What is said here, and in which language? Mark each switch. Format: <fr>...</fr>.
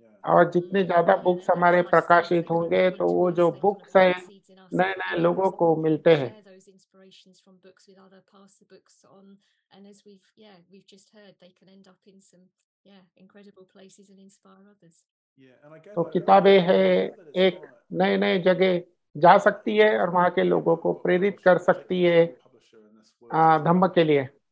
<hi>और जितने ज्यादा बुक्स हमारे प्रकाशित होंगे तो वो जो बुक्स है नए नए लोगों को मिलते हैं।</hi> <en>From books with other pass the books on, and as we've just heard, they can end up in some incredible places and inspire others.</en> <hi>तो किताबें है एक नए नए जगह जा सकती है और वहाँ के लोगों को प्रेरित कर सकती है धम्म के लिए।</hi>